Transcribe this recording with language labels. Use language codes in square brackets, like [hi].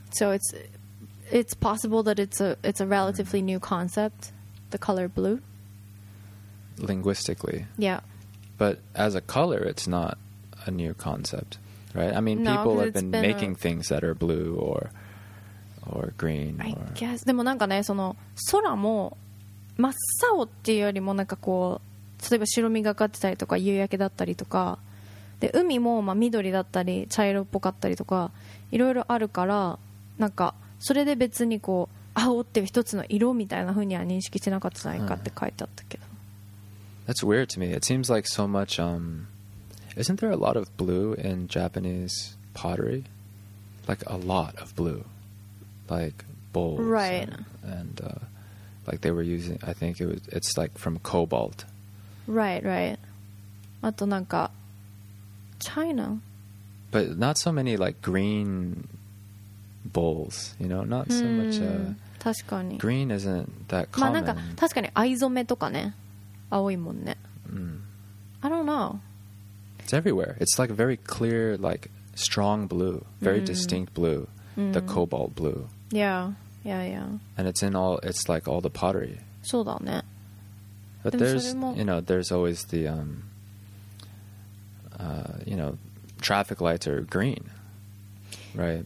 [en] So it's possible that it's a relatively new concept, the color blue. Linguistically. Yeah. But as a color, it's not a new concept, right? I mean, no, people have been making things that are blue or green. I guess. [ja] でもなんかね、その空も真っ青っていうよりもなんかこう、例えば白みがかってたりとか夕焼けだったりとか、で海もまあ緑だったり茶色っぽかったりとかいろいろあるから、なんかそれで別にこう青っていう一つの色みたいな風には認識してなかったんじゃないかって書いてあったけど。 [en] That's weird to me. It seems like so much. Isn't there a lot of blue in Japanese pottery? Like a lot of blue, like bowls. Right. And like they were using. I think it was. It's like from cobalt. Right. Right. [ja] あとなんか [en] China. But not so many like green bowls. You know, not so much. [ja] 確かに。 [en] Green isn't that common. [ja] まあなんか確かに藍染めとかね。青いもんね。 [en] I don't know. It's everywhere. It's like very clear, like strong blue, very distinct blue, the cobalt blue. Yeah, yeah, yeah. And it's in all. It's like all the pottery. [ja] そうだね。 [en] But there's, you know, there's always the, you know, traffic lights are green, right?